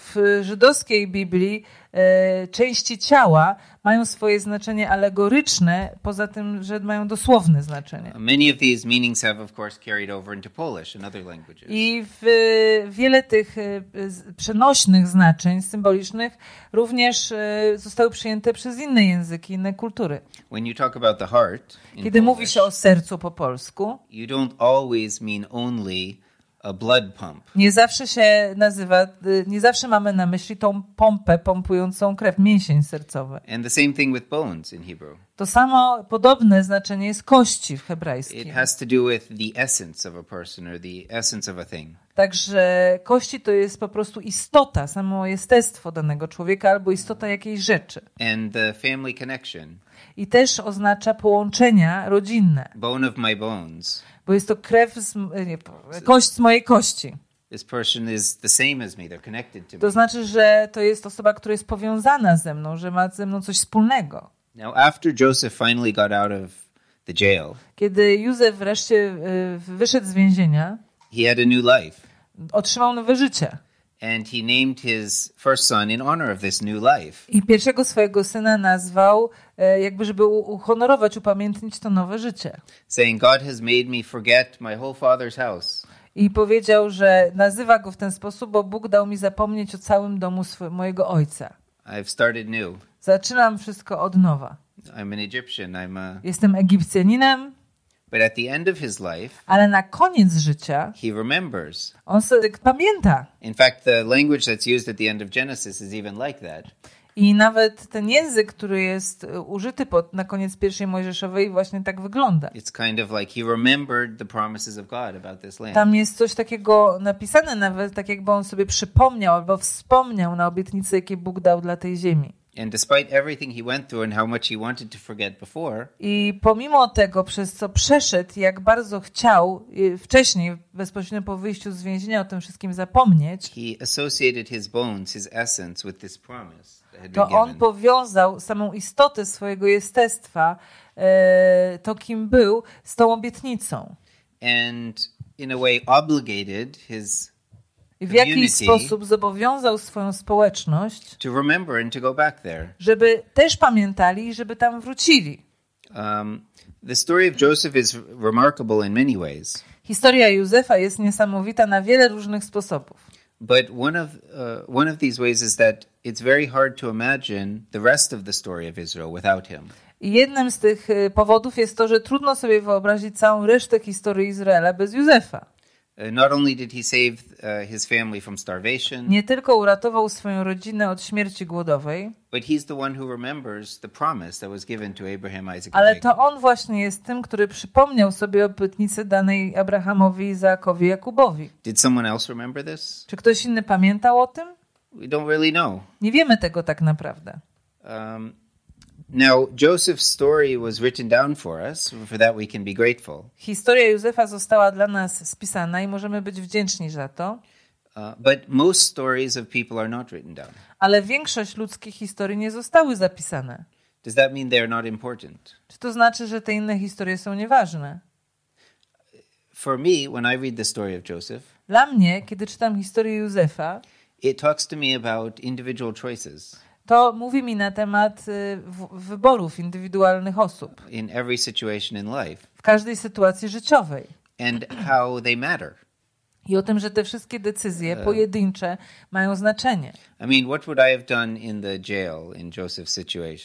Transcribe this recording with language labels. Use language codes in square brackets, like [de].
[pl] W żydowskiej Biblii części ciała mają swoje znaczenie alegoryczne, poza tym, że mają dosłowne znaczenie. [en] Many of these meanings have, of course, carried over into Polish and other languages. [pl] I wiele tych przenośnych znaczeń symbolicznych również zostały przyjęte przez inne języki, inne kultury. [en] When you talk about the heart in [pl] kiedy [en] Polish, [pl] mówi się o sercu po polsku, [en] you don't always mean only a blood pump. [pl] Nie zawsze się nazywa, nie zawsze mamy na myśli tą pompę pompującą krew, mięsień sercowy. [en] And the same thing with bones in Hebrew. [pl] To samo podobne znaczenie jest kości w hebrajskim. [en] It has to do with the essence of a person or the essence of a thing. [pl] Także kości to jest po prostu istota, samo jestestwo danego człowieka albo istota jakiejś rzeczy. [en] And the family connection. [pl] I też oznacza połączenia rodzinne. [en] Bone of my bones. [pl] Bo jest to krew z, nie, kość z mojej kości. [en] This person is the same as me. They're connected to me. [pl] To znaczy, że to jest osoba, która jest powiązana ze mną, że ma ze mną coś wspólnego. [en] Now, after Joseph finally got out of the jail, [pl] kiedy Józef wreszcie wyszedł z więzienia, [en] he had a new life. [pl] Otrzymał nowe życie. [en] And he named his first son in honor of this new life. [pl] I pierwszego swojego syna nazwał, jakby żeby uhonorować, upamiętnić to nowe życie. [en] Saying, God has made me forget my whole father's house. [pl] I powiedział, że nazywa go w ten sposób, bo Bóg dał mi zapomnieć o całym domu mojego ojca. [en] I've started new. [pl] Zaczynam wszystko od nowa. [en] I'm an Egyptian. I'm a... [pl] Jestem Egipcjaninem. [en] But at the end of his life, [pl] ale na koniec życia, [en] he remembers. [pl] On sobie pamięta. [en] In fact, the language that's used at the end of Genesis is even like that. [pl] I nawet ten język, który jest użyty na koniec pierwszej Mojżeszowej, właśnie tak wygląda. [en] It's kind of like he remembered the promises of God about this land. [pl] Tam jest coś takiego napisane, nawet tak jakby on sobie przypomniał albo wspomniał na obietnice, jakie Bóg dał dla tej ziemi. [en] And despite everything he went through and how much he wanted to forget before, [pl] i pomimo tego, przez co przeszedł, jak bardzo chciał wcześniej, bezpośrednio po wyjściu z więzienia, o tym wszystkim zapomnieć, [en] he associated his bones, his essence with this promise that had been given. [pl] To on powiązał samą istotę swojego jestestwa, to kim był, z tą obietnicą. [en] And in a way obligated his [pl] w jakiś sposób zobowiązał swoją społeczność, [en] to remember and to go back there, [pl] żeby też pamiętali i żeby tam wrócili. [en] The story of Joseph is remarkable in many ways. [pl] Historia Józefa jest niesamowita na wiele różnych sposobów. [en] But one of these ways is that it's very hard to imagine the rest of the story of Israel without him. [pl] I jednym z tych powodów jest to, że trudno sobie wyobrazić całą resztę historii Izraela bez Józefa. [en] Not only did he save his family from starvation, [pl] nie tylko uratował swoją rodzinę od śmierci głodowej, [en] but he's the one who remembers the promise that was given to Abraham, Isaac, [pl] ale to on właśnie jest tym, który przypomniał sobie obietnicę danej Abrahamowi, Izaakowi, Jakubowi. [en] Did someone else remember this? [pl] Czy ktoś inny pamiętał o tym? [en] We don't really know. [pl] Nie wiemy tego tak naprawdę. [en] Now Joseph's story was written down for us, for that we can be grateful. [pl] Historia Józefa została dla nas spisana i możemy być wdzięczni za to. [en] But most stories of people are not written down. [pl] Ale większość ludzkich historii nie zostały zapisane. [en] Does that mean they are not important? [pl] Czy to znaczy, że te inne historie są nieważne? [en] For me, when I read the story of Joseph, [pl] dla mnie, kiedy czytam historię Józefa, [en] it talks to me about individual choices. [pl] To mówi mi na temat wyborów indywidualnych osób. [en] In every situation in life. [pl] W każdej sytuacji życiowej. [en] And how they matter. [pl] I o tym, że te wszystkie decyzje pojedyncze mają znaczenie. [en] I mean, what would I have done in the jail in Joseph's situation?